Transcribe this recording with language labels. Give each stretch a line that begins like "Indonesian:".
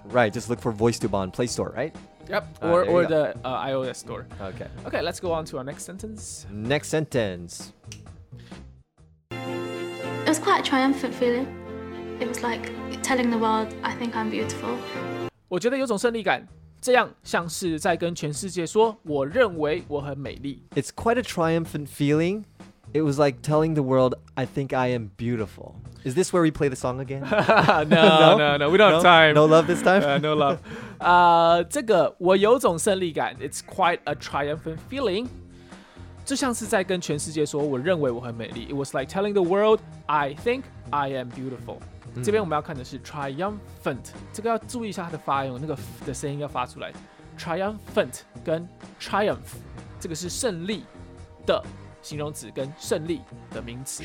English: Right, just look for VoiceTube on Play Store, right? Yep, or the iOS Store. Okay. Okay, let's go on to our next sentence. Next sentence. It was quite a triumphant feeling. It was like telling the world, I think I'm beautiful. 我觉得有种胜利感，这样像是在跟全世界说，我认为我很美丽。 It's quite a triumphant feeling. It was like telling the world, I think I am beautiful. Is this where we play the song again? No, we don't have time. No love this time? No love.
Chinese: 这个我有种胜利感。
English: It's quite a triumphant feeling.
Chinese: 就像是在跟全世界说，我认为我很美丽。
English: It was like telling the world, I think I am beautiful.
Chinese: 这边我们要看的是 triumphant， 这个要注意一下它的发音，那个 f 的声音要发出来。triumphant 跟 triumph， 这个是胜利的，形容词跟胜利的名词